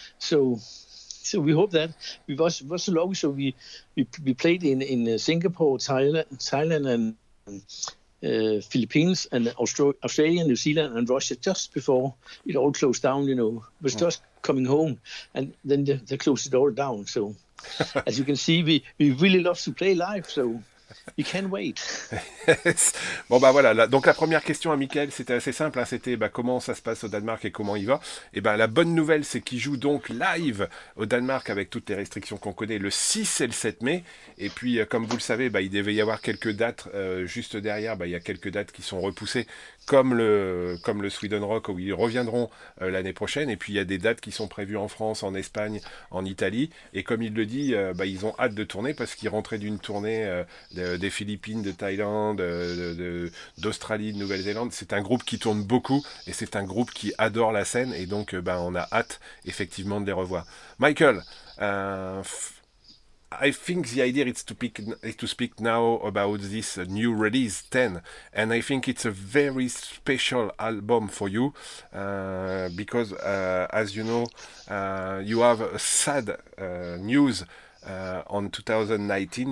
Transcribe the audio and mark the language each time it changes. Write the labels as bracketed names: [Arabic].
[English] So we hope that we was so long. So we played in Singapore, Thailand, and Philippines, and Australia, New Zealand, and Russia just before it all closed down. You know, was just coming home, and then they closed it all down. So as you can see, we really love to play live. So you can't wait. [French] Yes. Bon bah voilà. Donc la première question à Michael, c'était assez simple. Hein. C'était comment ça se passe au Danemark et comment il va. Et ben la bonne nouvelle, c'est qu'il joue donc live au Danemark avec toutes les restrictions qu'on connaît, le 6 et le 7 mai. Et puis comme vous le savez, il devait y avoir quelques dates juste derrière. Il y a quelques dates qui sont repoussées, comme le Sweden Rock où ils reviendront l'année prochaine. Et puis il y a des dates qui sont prévues en France, en Espagne, en Italie. Et comme il le dit, ils ont hâte de tourner parce qu'ils rentraient d'une tournée des Philippines, de Thaïlande, d'Australie, de Nouvelle-Zélande. C'est un groupe qui tourne beaucoup et c'est un groupe qui adore la scène. Et donc, on a hâte, effectivement, de les revoir. [English] Michael, I think the idea is to speak now about this new release, 10. And I think it's a very special album for you because, as you know, you have sad news on 2019.